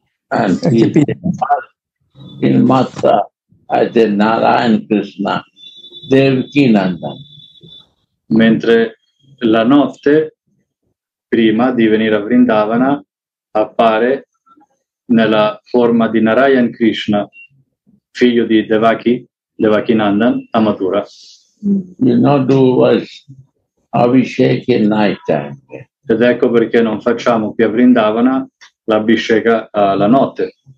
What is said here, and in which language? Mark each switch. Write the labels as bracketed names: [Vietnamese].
[English] And in Matra as a Narayan Krishna, Devaki Nandan. [Italian] Mentre la notte, prima di venire a Vrindavana, appare nella forma di Narayan Krishna, figlio di Devaki, Devaki Nandan, a Mathura. [English] You not do us Abhishek in night time. [Italian] Ed ecco perché non facciamo più a Vrindavana l'abhisheka la notte.